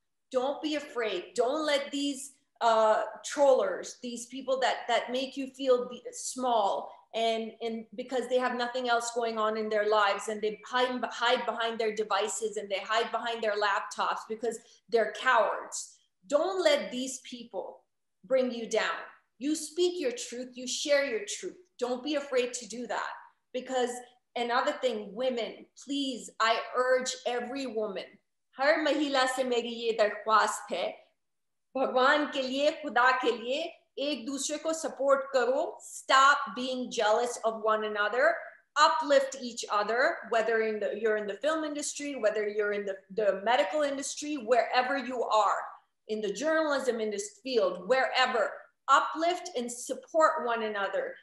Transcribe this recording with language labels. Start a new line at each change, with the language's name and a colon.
English: Don't be afraid. Don't let these trollers, these people that make you feel small and because they have nothing else going on in their lives, and they hide behind their devices and they hide behind their laptops because they're cowards. Don't let these people bring you down. You speak your truth, you share your truth. Don't be afraid to do that. Because another thing, women, please, I urge every woman,
Hindi: हर महिला से मेरी ये दरख़्वास्त है, भगवान के लिए, ख़ुदा के लिए, एक दूसरे को support करो.
English: Stop being jealous of one another. Uplift each other, whether you're in the film industry, whether you're in the medical industry, wherever you are. In the journalism, in this field, wherever, uplift and support one another.